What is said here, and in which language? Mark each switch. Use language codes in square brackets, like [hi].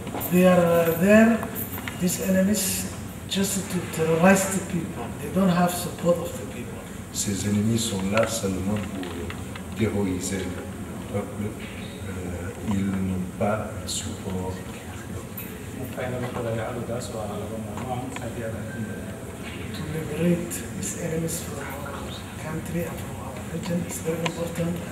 [en] They are there, these enemies, just to terrorize the people. They don't have support of the people. [fr] Ces ennemis sont là seulement pour terroriser le peuple. Ils n'ont pas le support. [en] To liberate these enemies from our country and from our region is very important.